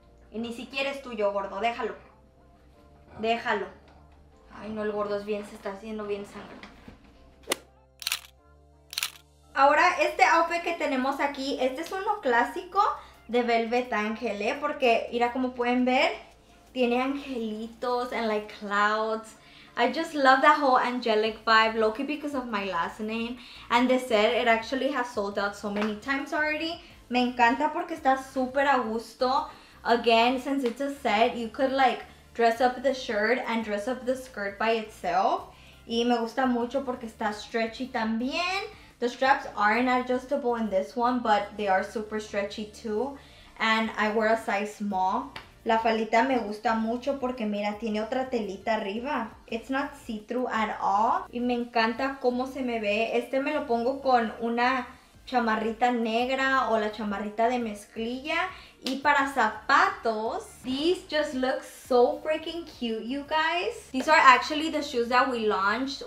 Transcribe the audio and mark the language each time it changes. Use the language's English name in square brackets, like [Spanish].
[Spanish] Y ni siquiera es tuyo, gordo. Déjalo. Déjalo. Ay, no, el gordo es bien, se está haciendo bien sangre. Ahora, este outfit que tenemos aquí, este es uno clásico de Velvet Ángel, ¿eh? Porque, mira, como pueden ver, tiene angelitos [English] and like clouds. I just love that whole angelic vibe, low key because of my last name. And the set, it actually has sold out so many times already. [Spanish] Me encanta porque está súper a gusto. [English] Again, since it's a set, you could like dress up the shirt and dress up the skirt by itself. [Spanish] Y me gusta mucho porque está stretchy también. [English] The straps aren't adjustable in this one, but they are super stretchy too. And I wear a size small. [Spanish] La faldita me gusta mucho porque mira, tiene otra telita arriba. [English] It's not see-through at all. [Spanish] Y me encanta cómo se me ve. Este me lo pongo con una chamarrita negra o la chamarrita de mezclilla. Y para zapatos, [English] these just look so freaking cute, you guys. These are actually the shoes that we launched.